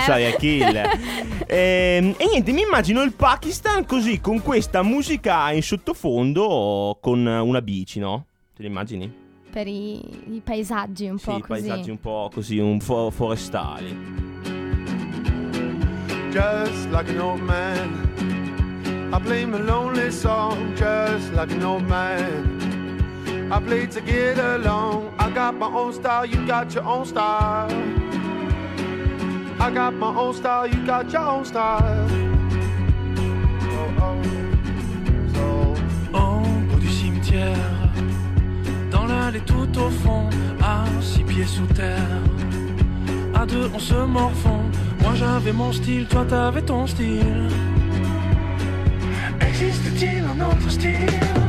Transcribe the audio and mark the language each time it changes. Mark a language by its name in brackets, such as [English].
[Italian] sai, è kill. E niente, mi immagino il Pakistan così, con questa musica in sottofondo, con una bici, no? Te le immagini? Per i paesaggi un po' così. Sì, i paesaggi un po' così, un forestali. [English] Just like an old man, I play my lonely song. Just like an old man, I play to get along. I got my own style, you got your own style. I got my own style, you got your own style. Oh, oh, so. [French] Ombre du cimetière, dans l'allée tout au fond, à 6 pieds sous terre. À 2, on se morfond. Moi j'avais mon style, toi t'avais ton style. Existe-t-il un autre style?